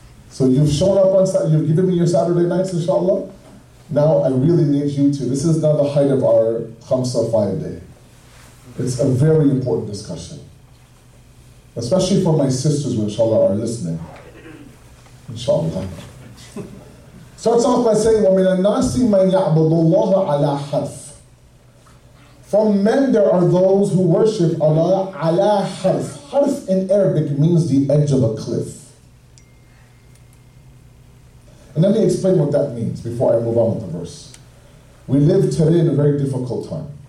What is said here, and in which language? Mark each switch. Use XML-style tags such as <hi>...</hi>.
<en>So you've shown up on Saturday, you've given me your Saturday nights, inshallah. Now I really need you to. This is now the height of our Khamsa Fire Day. It's a very important discussion. Especially for my sisters, inshallah, are listening. Inshallah. Starts off by saying,</en> <ar>وَمِنَ النَّاسِ مَنْ يَعْبُدُ اللَّهَ عَلَىٰ حَرْفٍ.</ar> <en>From men there are those who worship Allah ala harf. Harf in Arabic means the edge of a cliff. And let me explain what that means before I move on with the verse. We live today in a very difficult time.</en>